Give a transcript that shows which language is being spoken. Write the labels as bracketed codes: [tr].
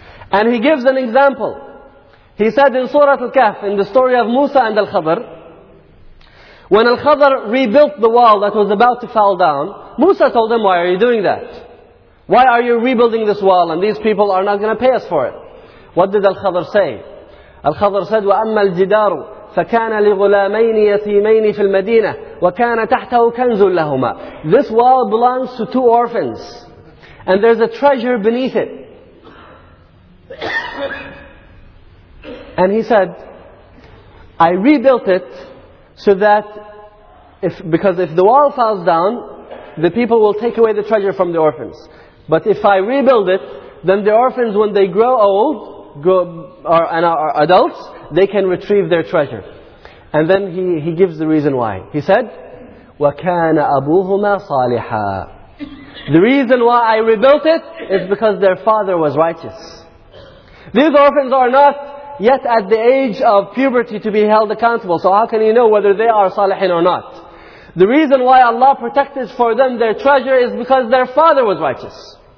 [en] And he gives an example. He said in Surah Al-Kahf, in the story of Musa and Al-Khadr, when Al-Khadr rebuilt the wall that was about to fall down, Musa told him, why are you doing that? Why are you rebuilding this wall and these people are not going to pay us for it? What did Al-Khadr say? Al-Khadr said, [ar] وَأَمَّا الْجِدَارُ فَكَانَ لِغُلَامَيْنِ يَتِيمَيْنِ فِي الْمَدِينَةِ وَكَانَ تَحْتَهُ كَنْزٌ لَهُمَا. [en] This wall belongs to two orphans. And there's a treasure beneath it. And he said, I rebuilt it so that, because if the wall falls down, the people will take away the treasure from the orphans. But if I rebuild it, then the orphans, when they grow old, are adults, they can retrieve their treasure. And then he gives the reason why. He said, [ar] وَكَانَ أَبُوهُمَا صَالِحًا. [en] The reason why I rebuilt it is because their father was righteous. These orphans are not yet at the age of puberty to be held accountable. So how can you know whether they are salihin or not? The reason why Allah protected for them their treasure is because their father was righteous.